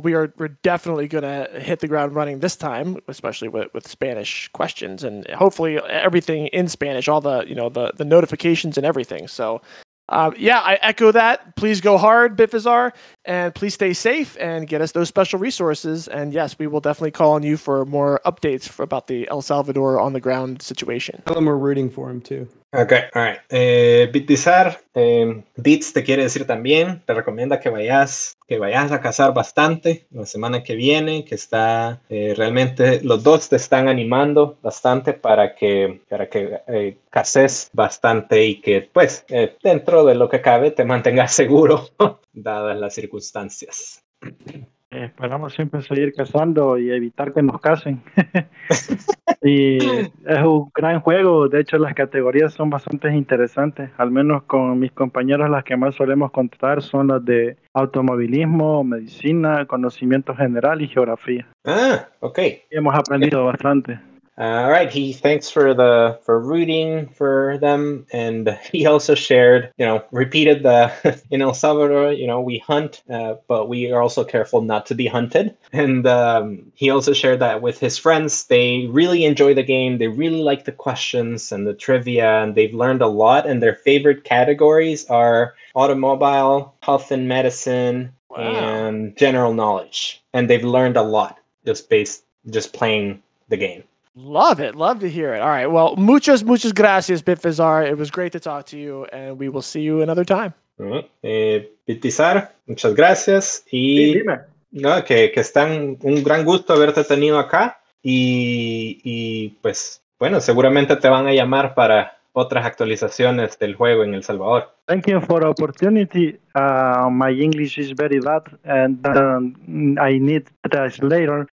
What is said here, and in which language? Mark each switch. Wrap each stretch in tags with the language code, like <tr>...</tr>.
<en>We're definitely going to hit the ground running this time, especially with Spanish questions, and hopefully everything in Spanish, all the, you know, the notifications and everything. So I echo that. Please go hard, Bifazar, and please stay safe and get us those special resources. And yes, we will definitely call on you for more updates about the El Salvador on the ground situation. Tell them we're rooting for him too. Okay, all right.</en> <es>Bifazar, Bits te quiere decir también, te recomienda que vayas a cazar bastante la semana que viene, que está realmente los dos te están animando bastante para que caces bastante y que pues dentro de lo que cabe te mantengas seguro dadas las circunstancias. Esperamos siempre seguir cazando y evitar que nos casen. Y es un gran juego, de hecho las categorías son bastante interesantes, al menos con mis compañeros las que más solemos contratar son las de automovilismo, medicina, conocimiento general y geografía.</es> <en>Ah, okay.</en> <es>Y hemos aprendido bastante.</es> <en>All right, he thanks for rooting for them, and he also shared, you know, repeated the, in El Salvador, you know, we hunt, but we are also careful not to be hunted. And he also shared that with his friends, they really enjoy the game, they really like the questions and the trivia, and they've learned a lot, and their favorite categories are automobile, health and medicine, and general knowledge. And they've learned a lot just playing the game. Love it. Love to hear it. All right. Well,</en> <es>muchas, muchas gracias,</es> <en>Bifazar. It was great to talk to you, and we will see you another time.</en> <es>Bifazar, muchas gracias. Y sí, dime. No, que están un gran gusto haberte tenido acá. Y pues, bueno, seguramente te van a llamar para otras actualizaciones del juego en El Salvador.</es> <en>Thank you for the opportunity. My English is very bad, and I need a translator.</en>